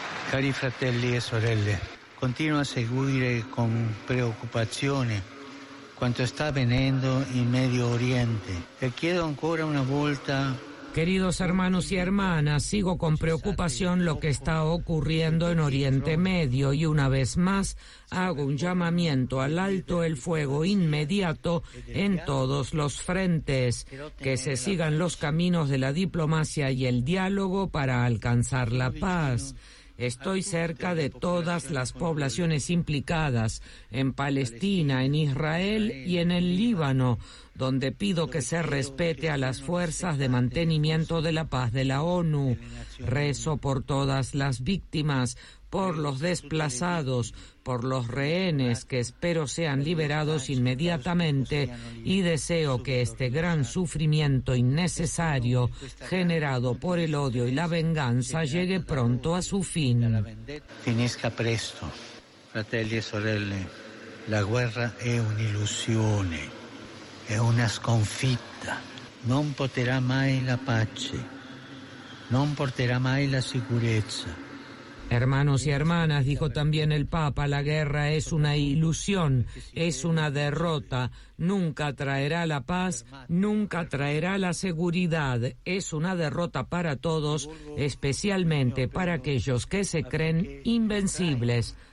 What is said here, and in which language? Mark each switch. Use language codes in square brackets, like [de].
[it] Cari fratelli e sorelle, continuo a seguire con preoccupazione quanto sta avvenendo in Medio Oriente. E chiedo ancora una volta. [es] Queridos hermanos y hermanas, sigo con preocupación lo que está ocurriendo en Oriente Medio y una vez más hago un llamamiento al alto el fuego inmediato en todos los frentes, que se sigan los caminos de la diplomacia y el diálogo para alcanzar la paz. Estoy cerca de todas las poblaciones implicadas, en Palestina, en Israel y en el Líbano, donde pido que se respete a las fuerzas de mantenimiento de la paz de la ONU. Rezo por todas las víctimas, por los desplazados, por los rehenes, que espero sean liberados inmediatamente, y deseo que este gran sufrimiento innecesario generado por el odio y la venganza llegue pronto a su fin. [it] Finisca presto, fratelli e sorelle, la guerra è un'illusione, è una sconfitta, non porterà mai la pace, non porterà mai la sicurezza. [es] Hermanos y hermanas, dijo también el Papa, la guerra es una ilusión, es una derrota, nunca traerá la paz, nunca traerá la seguridad, es una derrota para todos, especialmente para aquellos que se creen invencibles.